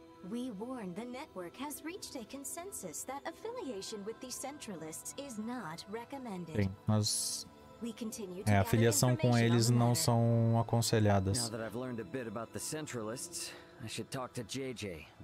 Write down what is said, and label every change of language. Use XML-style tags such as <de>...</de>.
<en>We warn the network has reached a consensus that affiliation with the centralists is not recommended.</en> <pt>Sim, mas a filiação com eles não são aconselhadas.</pt> <en>Now that I've learned a bit about the centralists, I should talk to JJ.</en>